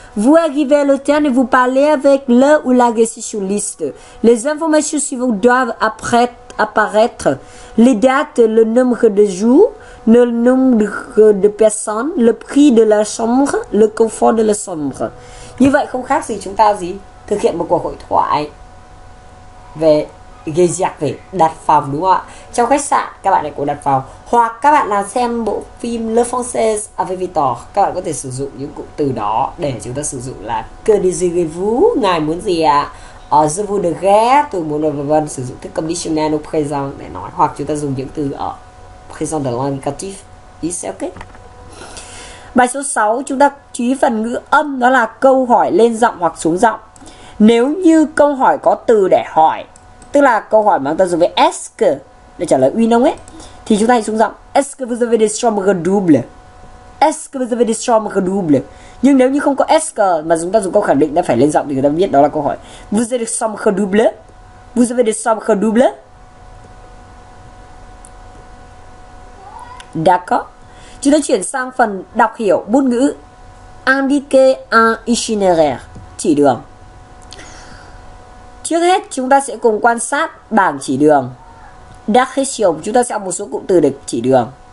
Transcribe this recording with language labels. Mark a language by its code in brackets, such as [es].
[fr] Vous arrivez à l'hôtel et vous parlez avec le ou la réceptionniste. Les informations suivantes doivent apparaître. Les dates, le nombre de jours, le nombre de personnes, le prix de la chambre, le confort de la chambre. [vi] Như vậy không khác gì chúng ta gì thực hiện một cuộc hội thoại về ghê giặc, về đặt phòng, đúng không ạ? Trong khách sạn các bạn này cũng đặt phòng, hoặc các bạn nào xem bộ phim Le Français avec Victor, các bạn có thể sử dụng những cụm từ đó để chúng ta sử dụng là [fr] que désirez-vous, [vi] ngài muốn gì ạ, [fr] je vous voudrais, [vi] tôi muốn, vân vân, sử dụng thức conditionnel au présent để nói, hoặc chúng ta dùng những từ ở présent de l'indicatif, [en] is ok. [vi] Bài số 6, chúng ta chú ý phần ngữ âm, đó là câu hỏi lên giọng hoặc xuống giọng. Nếu như câu hỏi có từ để hỏi, tức là câu hỏi mà chúng ta dùng với est-ce để trả lời uy nông ấy, thì chúng ta hãy xuống giọng. [fr] Est-ce que vous avez des chambres doubles? Est-ce que vous avez des chambres doubles? [vi] Nhưng nếu như không có est-ce mà chúng ta dùng câu khẳng định đã phải lên giọng thì người ta biết đó là câu hỏi. [fr] Vous avez des chambres doubles? Vous avez des chambres doubles? D'accord. [vi] Chúng ta chuyển sang phần đọc hiểu bút ngữ. [fr] Indiquer un itinéraire, [vi] chỉ đường. Trước hết chúng ta sẽ cùng quan sát bảng chỉ đường. D'accession, chúng ta sẽ học một số cụm từ để chỉ đường.